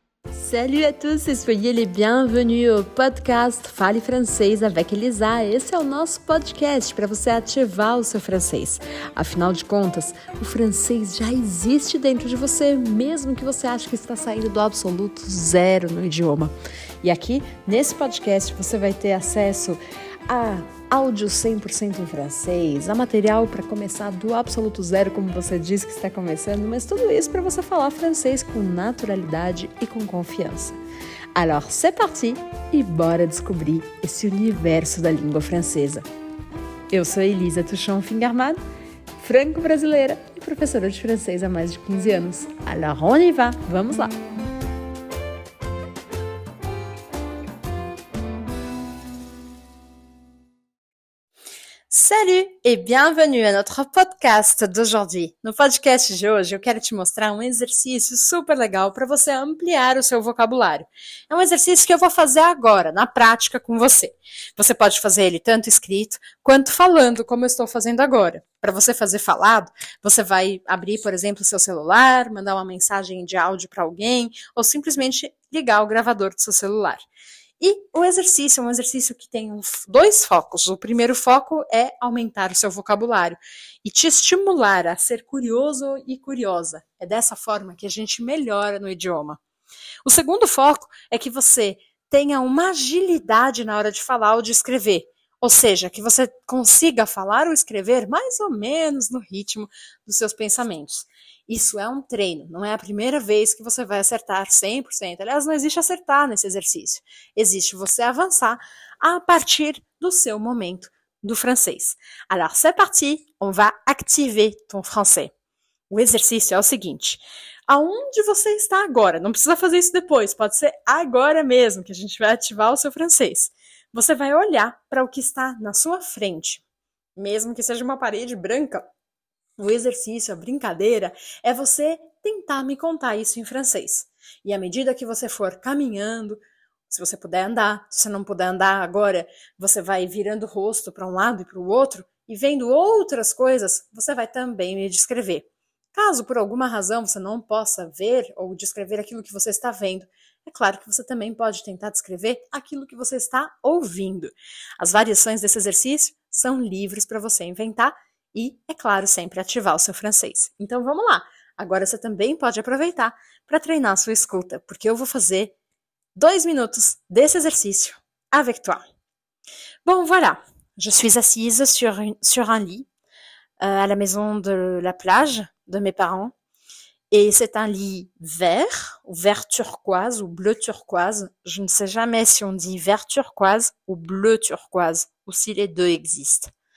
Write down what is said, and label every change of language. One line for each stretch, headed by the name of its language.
French: Salut à tous et soyez les bienvenus au podcast Fale Francês avec Elisa.
Portuguese: Esse é o nosso podcast para você ativar o seu francês. Afinal de contas, o francês já existe dentro de você, mesmo que você ache que está saindo do absoluto zero no idioma. E aqui, nesse podcast, você vai ter acesso a áudio 100% em francês, a material para começar do absoluto zero, como você disse que está começando, mas tudo isso para você falar francês com naturalidade e com confiança.
French: Alors, c'est parti
Portuguese: e bora descobrir esse universo da língua francesa. Eu sou Elisa Touchon Fingarmad, franco-brasileira e professora de francês há mais de 15 anos.
French: Alors, on y va,
Portuguese: vamos lá!
French: Salut et bienvenue à notre podcast d'aujourd'hui.
Portuguese: No podcast de hoje, eu quero te mostrar um exercício super legal para você ampliar o seu vocabulário. É um exercício que eu vou fazer agora, na prática, com você. Você pode fazer ele tanto escrito, quanto falando, como eu estou fazendo agora. Para você fazer falado, você vai abrir, por exemplo, seu celular, mandar uma mensagem de áudio para alguém, ou simplesmente ligar o gravador do seu celular. E o exercício é um exercício que tem dois focos. O primeiro foco é aumentar o seu vocabulário e te estimular a ser curioso e curiosa. É dessa forma que a gente melhora no idioma. O segundo foco é que você tenha uma agilidade na hora de falar ou de escrever. Ou seja, que você consiga falar ou escrever mais ou menos no ritmo dos seus pensamentos. Isso é um treino, não é a primeira vez que você vai acertar 100%. Aliás, não existe acertar nesse exercício. Existe você avançar a partir do seu momento do francês.
French: Alors, c'est parti, on va activer ton français.
Portuguese: O exercício é o seguinte, aonde você está agora? Não precisa fazer isso depois, pode ser agora mesmo que a gente vai ativar o seu francês. Você vai olhar para o que está na sua frente, mesmo que seja uma parede branca. O exercício, a brincadeira, é você tentar me contar isso em francês. E à medida que você for caminhando, se você puder andar, se você não puder andar agora, você vai virando o rosto para um lado e para o outro, e vendo outras coisas, você vai também me descrever. Caso por alguma razão você não possa ver ou descrever aquilo que você está vendo, é claro que você também pode tentar descrever aquilo que você está ouvindo. As variações desse exercício são livres para você inventar, e, é claro, sempre ativar o seu francês. Então, vamos lá. Agora você também pode aproveitar para treinar a sua escuta, porque eu vou fazer 2 minutos desse exercício
French: avec toi. Bon, voilà. Je suis assise sur un lit à la maison de la plage de mes parents. Et c'est un lit vert, ou vert turquoise, ou bleu turquoise. Je ne sais jamais si on dit vert turquoise ou bleu turquoise, ou si les deux existent.